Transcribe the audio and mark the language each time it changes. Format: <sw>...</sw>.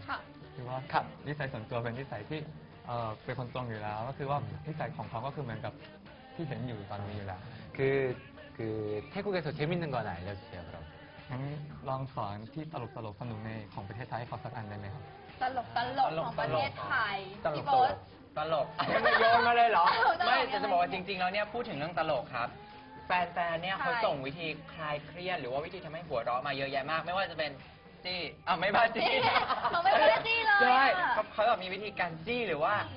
<ko>그리고</ko> <th>นิสัยส่วนตัวเป็น นิสัยที่เป็นคนตรงอยู่แล้วก็คือว่านิสัยของเขาก็คือเหมือนกับที่เห็นอยู่ตอนนี้แหละคือ</th> <ko>태국에서 재밌는 건 알려주세요, 그럼.</ko> <th>ลองสอนที่ตลกตลกสนุกในของประเทศไทยเขาสักอันได้ไหมครับตลกตลกของประเทศไทยพี่บอสตลกไม่โยนมาเลยเหรอไม่แต่จะบอกว่าจริงๆแล้วเนี่ยพูดถึงเรื่องตลกครับแฟนๆเนี่ยเขาส่งวิธีคลายเครียดหรือว่าวิธีทำให้หัวเราะมาเยอะแยะมากไม่ว่าจะเป็นที่ไม่มาจี้เขาไม่มาจี้เลยใช่เขาแบบมีวิธีการจี้หรือว่า</th>